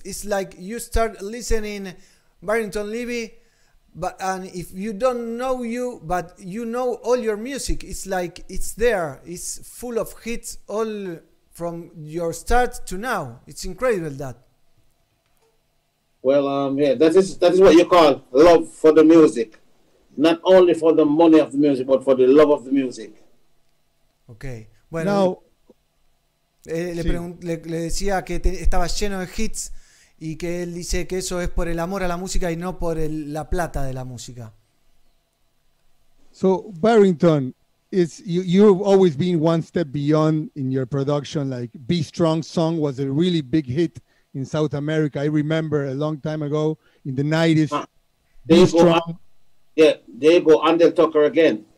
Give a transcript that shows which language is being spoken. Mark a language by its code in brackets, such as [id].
[en] It's like you start listening Barrington Levy, but and if you don't know you, but you know all your music, it's like it's there. It's full of hits all from your start to now. It's incredible that. Well, that is what you call love for the music. Not only for the money of the music, but for the love of the music. Okay. Well, now, [es] le decía que estaba lleno de hits y que él dice que eso es por el amor a la música y no por la plata de la música. [en] So Barrington, is you've always been one step beyond in your production. Like Be Strong song was a really big hit in South America. I remember a long time ago in the 90s. Diego Andel Tucker again.